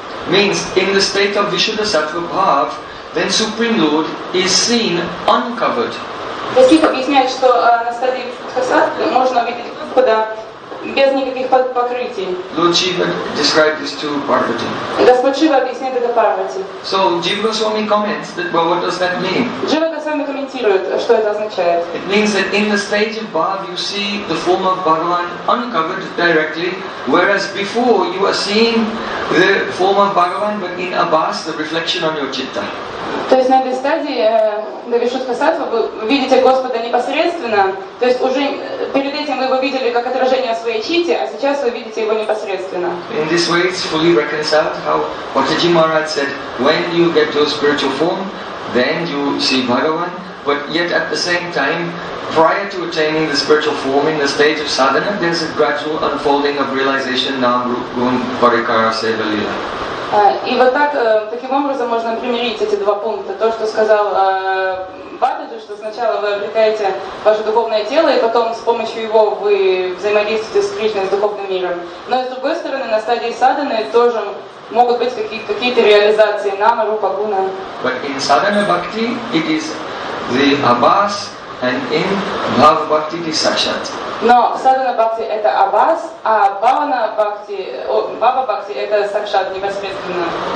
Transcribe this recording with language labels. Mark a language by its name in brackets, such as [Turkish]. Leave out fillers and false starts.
[English] Means, in the state of Vishuddha Sattva Bhav, then Supreme Lord is seen uncovered. [Russian] То есть объясняет, что на стадии Шуддхасаттвы можно видеть Господа без никаких покрытий. [English] Lord Shiva described this to Parvati. [Russian] Господь Шива объясняет это Парвати. [English] So Jiva Goswami comments that, well, what does that mean? [Russian] Jiva Goswami комментирует, что это означает. [English] It means that in the stage of Bhav you see the form of Bhagavan uncovered directly, whereas before you are seeing the form of Bhagavan but in Abhas, the reflection on your chitta. [Russian] То есть на этой стадии на Вишудхасаттве вы видите Господа непосредственно, то есть уже перед этим вы его видели как отражение своей читты, а сейчас вы видите его непосредственно. [English] In this way it's fully reconciled how Bhattaji Maharaj said, when you get your spiritual form, then you see Bhagavan, but yet at the same time, prior to attaining the spiritual form in the stage of sadhana, there's a gradual unfolding of realization, nam rupun parikara seva lila. [Russian] И вот так, таким образом можно примирить эти два пункта. То, что сказал Бхатаджи, что сначала вы обретаете ваше духовное тело, и потом с помощью его вы взаимодействуете с Кришной, с духовным миром. Но и с другой стороны, на стадии садханы тоже могут быть какие-то реализации нама, рупа, гуна. [English] But in sadhana bhakti, it is the abhas, and in bhava bhakti, it is sakshat. [Russian] Но садхана бхакти это абхас, а бхавана бхакти, бхава бхакти это сакшат непосредственно.